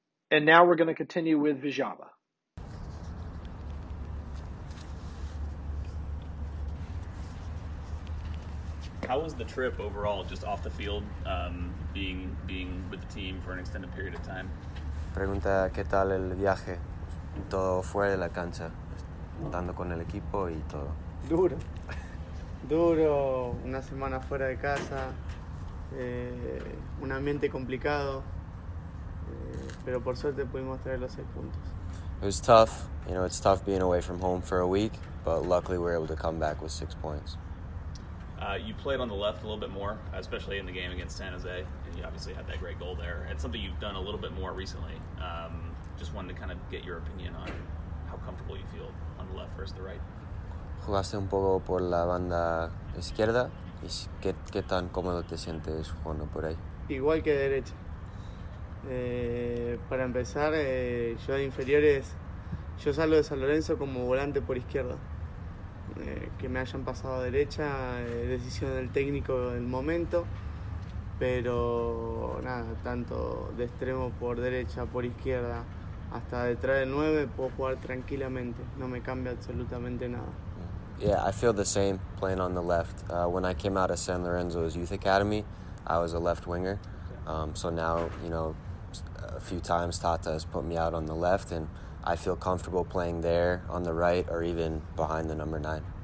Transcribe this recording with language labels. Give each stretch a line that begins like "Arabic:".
English: And now we're going to continue with Vijaba. how was the trip overall, just off the field, being with the team for an extended period of time?
Spanish: Pregunta, ¿qué tal el viaje? Todo fuera de la cancha, estando con el equipo y todo. Duro. Duro, una semana fuera de casa, un ambiente complicado, pero por suerte pudimos traer los 6 puntos.
English: It was tough, you know, it's tough being away from home for a week, but luckily we were able to come back with 6 points. You played on the left a little bit more, especially in the game against San Jose, and you obviously had that great goal there. It's something you've done a little bit more recently. Just wanted to kind of get your opinion on how comfortable you feel on the left versus the right.
Spanish: Jugaste un poco por la banda izquierda. ¿Qué tan cómodo te sientes jugando por ahí? Igual que derecha. Para empezar, yo de inferiores, yo salgo de San Lorenzo como volante por izquierda. Que me hayan pasado a derecha, decisión del técnico del momento. Pero nada, tanto de extremo por derecha, por izquierda, hasta detrás del 9 puedo jugar tranquilamente. No me cambia absolutamente nada.
English: Yeah, I feel the same playing on the left. When I came out of San Lorenzo's youth academy, I was a left winger. So now, you know, a few times Tata has put me out on the left, and I feel comfortable playing there on the right or even behind the number 9.